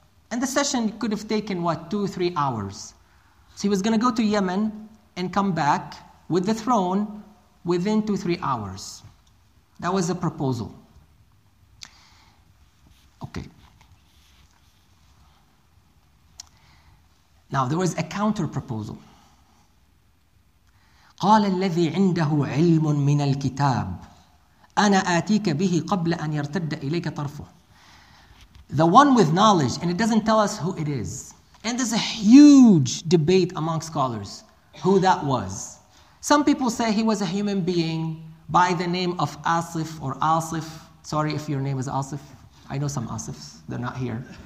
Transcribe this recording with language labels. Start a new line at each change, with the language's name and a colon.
English: And the session could have taken, what, 2-3 hours. So he was going to go to Yemen and come back with the throne within 2-3 hours. That was a proposal. Okay. Now, there was a counter proposal.
Arabic: قال الذي عنده علم من الكتاب أنا آتيك به قبل أن يرتد إليك طرفه.
English: The one with knowledge, and it doesn't tell us who it is. And there's a huge debate among scholars who that was. Some people say he was a human being by the name of Asif or Asif. Sorry if your name is Asif. I know some Asifs. They're not here.